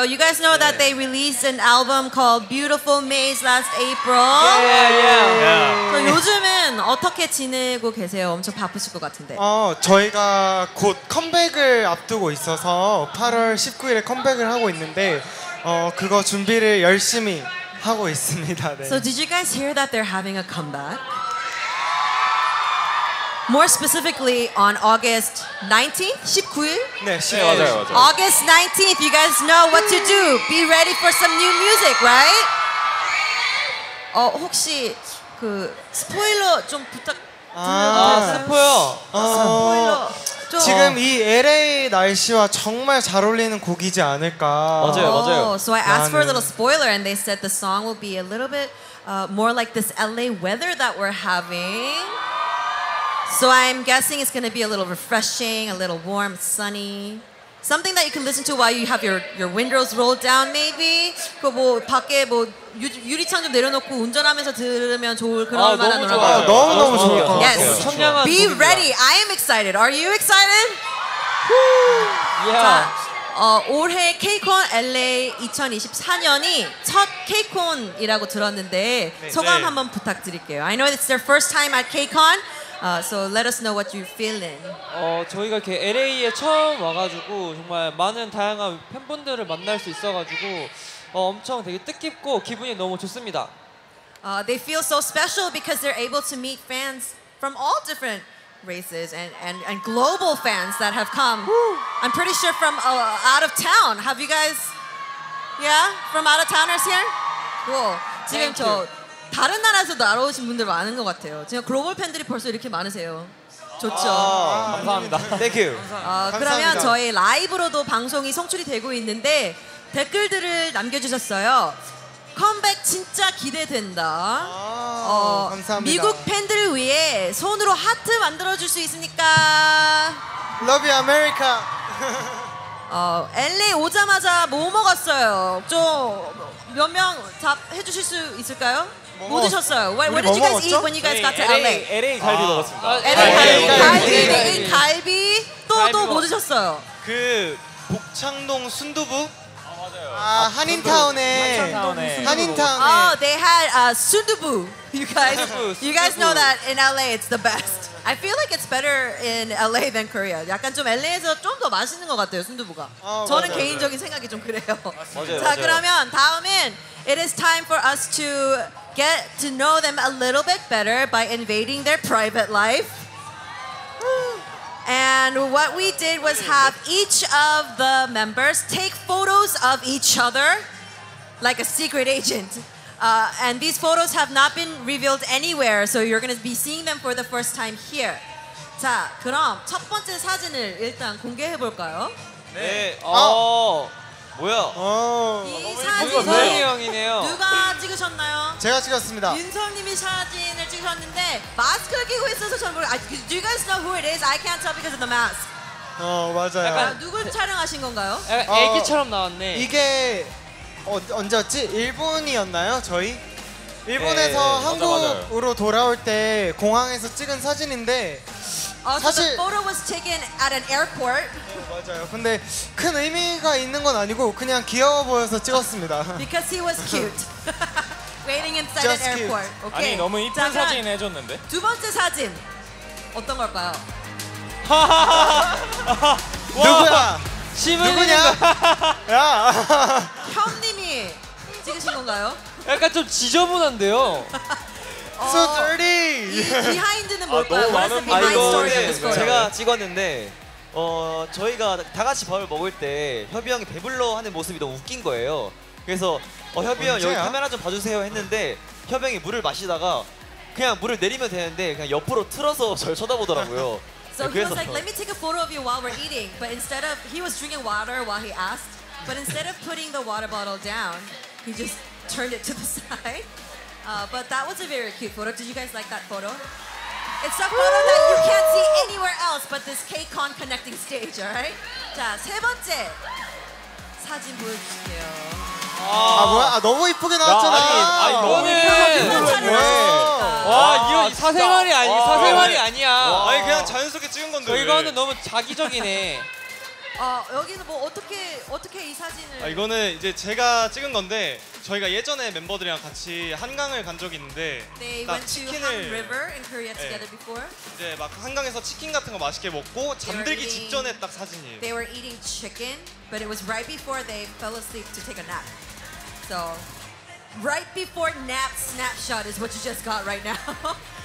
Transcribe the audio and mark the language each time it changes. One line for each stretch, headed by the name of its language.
English: You guys know that they released an album called Beautiful Maze last April. Yeah.
Korean: 요즘은 어떻게 지내고 계세요? 엄청 바쁘실 것 같은데. 저희가 곧 컴백을 앞두고 있어서 8월 19일에 컴백을 하고 있는데 그거 준비를 열심히 하고 있습니다. 네.
English: So did you guys hear that they're having a comeback? More specifically, on August 19th?
Korean: 19일? 네, 네 맞아요, 맞아요.
English: August 19th, you guys know what to do. Be ready for some new music, right?
Korean: 혹시 그 스포일러 좀 스포요? 지금 이 LA 날씨와 정말 잘 어울리는 곡이지 않을까? 맞아요, 맞아요.
English: So I asked for a little spoiler and they said the song will be a little bit more like this LA weather that we're having. So I'm guessing it's going to be a little refreshing, a little warm, sunny. Something that you can listen to while you have your windows rolled down, maybe.
Korean: 그 뭐 밖에 뭐 유리창 좀 내려놓고 운전하면서 들으면 좋을 그런 만한 노래. 너무 너무 좋을 것 같아요.
English: Yes. Be ready. I am excited. Are you excited? Yeah.
Korean: 올해 K-CON LA 2024년이 첫 K-CON이라고 들었는데 소감 한번 부탁드릴게요.
English: I know it's their first time at K-CON. So let us know what you're feeling.
Korean: 저희가 이렇게 LA에 처음 와가지고 정말 많은 다양한 팬분들을 만날 수 있어가지고 엄청 되게 뜻깊고 기분이 너무 좋습니다.
English: They feel so special because they're able to meet fans from all different races and global fans that have come. I'm pretty sure from out of town. Have you guys? Yeah, from out of towners here. Cool.
Korean: 지금 저 다른 나라에서 날아오신 분들 많은 것 같아요. 지금 글로벌 팬들이 벌써 이렇게 많으세요. 좋죠. 감사합니다.
English: Thank you.
Korean: 그러면 저희 라이브로도 방송이 송출이 되고 있는데 댓글들을 남겨주셨어요. 컴백 진짜 기대된다. 감사합니다. 미국 팬들을 위해 손으로 하트 만들어줄 수 있습니까?
English: Love you, America.
Korean: LA 오자마자 뭐 먹었어요? 좀 몇 명 답해주실 수 있을까요? 뭐 드셨어요?
English: What did you guys eat when you guys got to LA?
Korean: LA 갈비 먹었습니다. LA 갈비. 갈비. 갈비. 또 뭐 드셨어요? 그 복창동 순두부? 한인타운에. 한인타운에.
English: They had sundubu. You guys know that in LA it's the best. I feel like it's better in LA than Korea.
Korean: 약간 좀 LA에서 좀 더 맛있는 것 같아요, 순두부가. 저는 맞아요, 개인적인 맞아요. 생각이 좀 그래요. 맞아요, 자, 맞아요. 그러면 다음엔
English: it is time for us to get to know them a little bit better by invading their private life. And what we did was have each of the members take photos of each other like a secret agent. And these photos have not been revealed anywhere, so you're going to be seeing them for the first time here.
Korean: 자, 그럼 첫 번째 사진을 일단 공개해 볼까요? 네. 뭐야? 이 사진은 민서 형이네요. 누가 찍으셨나요? 제가 찍었습니다. 민서님이 사진을 찍으셨는데 마스크를 끼고 있어서 전 모르겠어요.
English: Do you guys know who it is? I can't tell because of the mask.
Korean: 맞아요. 약간 누굴 촬영하신 건가요? 애기처럼 나왔네. 이게 언제였지? 일본이었나요, 저희? 일본에서 네, 한국으로 맞아, 맞아. 돌아올 때 공항에서 찍은 사진인데 사실
English: the photo was taken at an airport.
Korean: 맞아요. 근데 큰 의미가 있는 건 아니고 그냥 귀여워 보여서 찍었습니다.
English: Because he was cute. Waiting inside an airport. Cute. Okay.
Korean: 아니 너무 이쁜 사진 해줬는데. 두 번째 사진 어떤 걸까요? 누구야? 누구냐? 야. 형님이 찍으신 건가요? 약간 좀 지저분한데요.
English: So dirty.
Korean: 이 behind는 뭘까요? 아, 너무 많은 behind story. 제가 찍었는데 저희가 다 같이 밥을 먹을 때 협이 형이 배불러 하는 모습이 너무 웃긴 거예요. 그래서 협이 형 여기 카메라 좀 봐주세요 했는데 협이 형이 물을 마시다가 그냥 물을 내리면 되는데 그냥 옆으로 틀어서 저를 쳐다보더라고요.
English: So
Korean: 네,
English: he was like, let me take a photo of you while we're eating. But instead of, he was drinking water while he asked. But instead of putting the water bottle down, he just turned it to the side. But that was a very cute photo. Did you guys like that photo? It's a photo that you can't see anywhere else but this KCON connecting stage, all right?
Korean: 자, 세 번째 사진 보여주세요. 아 뭐야? 아 너무 이쁘게 나왔잖아. 야, 아니 이거는 왜? 와 이거 아, 사생활이 아니 와, 사생활이 와, 아니야. 와. 아니 그냥 자연스럽게 찍은 건데. 저 이거는 왜? 너무 자기적이네. 아 여기는 뭐 어떻게 이 사진을? 아 이거는 이제 제가 찍은 건데 저희가 예전에 멤버들이랑 같이 한강을 간 적이 있는데.
English: They went to Han River in Korea together before.
Korean: 이제 막 한강에서 치킨 같은 거 맛있게 먹고 잠들기 직전에 딱 사진이에요.
English: They were eating chicken, but it was right before they fell asleep to take a nap. So, right before nap snapshot is what you just got right now.